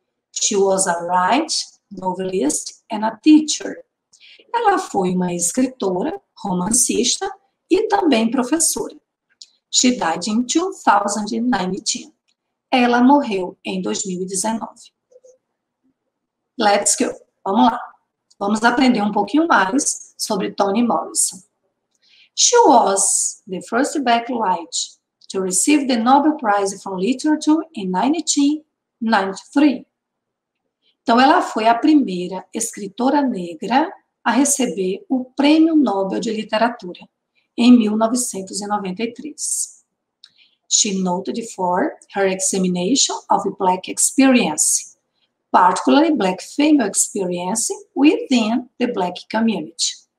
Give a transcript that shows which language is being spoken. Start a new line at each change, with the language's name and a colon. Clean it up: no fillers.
English: She was a writer, novelist and a teacher.
Portuguese: Ela foi uma escritora, romancista e também professora.
English: She died in 2019. Ela morreu em 2019. Let's go. Vamos lá.
Portuguese: Vamos aprender um pouquinho mais sobre Toni Morrison.
English: She was the first black writer to receive the Nobel Prize for Literature in 1993.
Portuguese: Então, ela foi a primeira escritora negra a receber o Prêmio Nobel de Literatura em 1993.
English: She noted for her examination of Black experience, particularly Black female experience within the Black community.